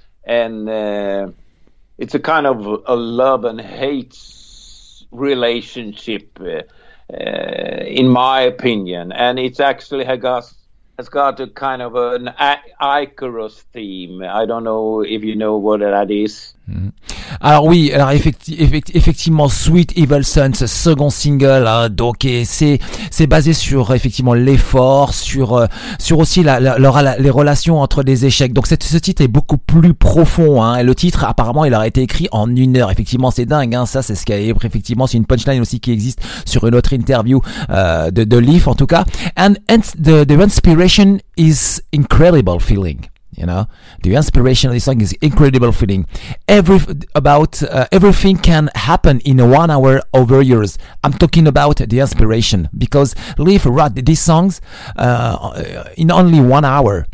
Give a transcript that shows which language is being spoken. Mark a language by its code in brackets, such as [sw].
[en] And it's a kind of a love and hate relationship, in my opinion. And it's actually has got a kind of an Icarus theme. I don't know if you know what that is. [fr] Alors oui, alors effectivement, Sweet Evil Sun, ce second single, hein, donc et c'est basé sur effectivement l'effort, sur aussi les relations entre les échecs. Donc ce titre est beaucoup plus profond. Hein, et le titre, apparemment, il aurait été écrit en 1 heure. Effectivement, c'est dingue. Hein, ça, c'est ce qu'il y a, effectivement, c'est une punchline aussi qui existe sur une autre interview de Leaf, en tout cas. [en] And the inspiration is incredible feeling. You know, the inspiration of this song is incredible feeling. Everything can happen in 1 hour over yours. I'm talking about the inspiration, because Leif wrote these songs in only 1 hour.